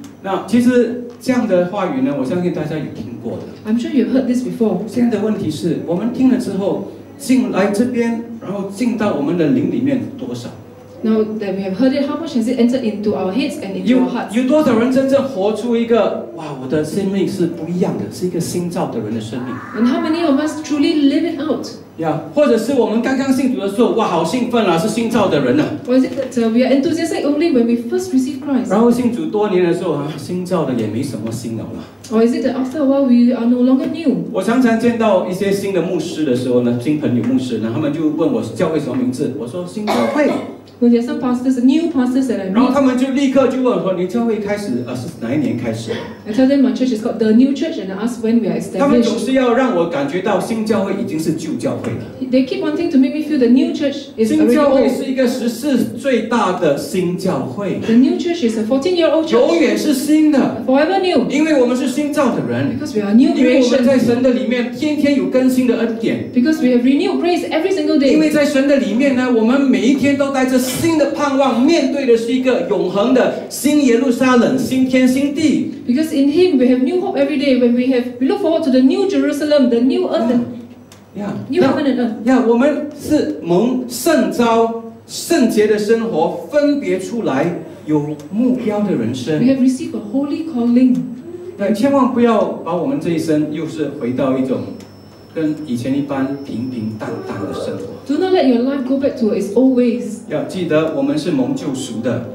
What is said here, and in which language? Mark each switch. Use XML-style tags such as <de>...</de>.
<zh>那其实这样的话语呢，我相信大家有听过的。</zh> <en>I'm sure you've heard this before.</en> <zh>现在的问题是，我们听了之后进来这边，然后进到我们的灵里面多少？</zh> <en>Now that we have heard it, how much has it entered into our heads and into our hearts?</en> <zh>有多少人真正活出一个哇，我的生命是不一样的，是一个新造的人的生命？</zh> <en>And how many of us truly live it out?</en> <zh>Yeah, 或者是我们刚刚信主的时候，哇，好兴奋啊，是新造的人啊。</zh> <en>Or is it that we are enthusiastic only when we first receive Christ?</en> <zh>然后信主多年的时候啊，新造的也没什么新了嘛。</zh> <en>Or is it that after a while we are no longer new?</en> <zh>我常常见到一些新的牧师的时候呢，新朋友牧师呢，他们就问我教会什么名字，我说新教会。</zh> <en>When there are some pastors, new pastors that I meet,</en> <zh>然后他们就立刻就问说：“你教会开始是哪一年开始？”</zh> <en>I tell them my church is called the New Church, and I ask when we are established.</en> <zh>他们总是要让我感觉到新教会已经是旧教会了。</zh> <en>They keep wanting to make me feel the New Church is already old.</en> <zh>新教会是一个14最大的新教会。</zh> <en>The New Church is a 14-year-old church.</en> <zh>永远是新的。</zh> <en>Forever new.</en> <zh>因为我们是新造的人。</zh> <en>Because we are new creation.</en> <zh>因为我们在神的里面，天天有更新的恩典。</zh> <en>Because we have renewed grace every single day.</en> <zh>因为在神的里面呢，我们每一天都带着。新的盼望，面对的是一个永恒的新耶路撒冷、新天新地。</zh> <en>Because in Him we have new hope every day. When we look forward to the new Jerusalem, the new earth, yeah, new heaven and earth.</en> <zh>Yeah, 我们是蒙圣召、圣洁的生活分别出来，有目标的人生。</zh> <en>We have received a holy calling.</en> <zh>那千万不要把我们这一生又是回到一种。跟以前一般平平淡淡的生活。</zh> <en>Do not let your life go back to its old ways.</en> <zh>要记得我们是蒙救赎的。</zh>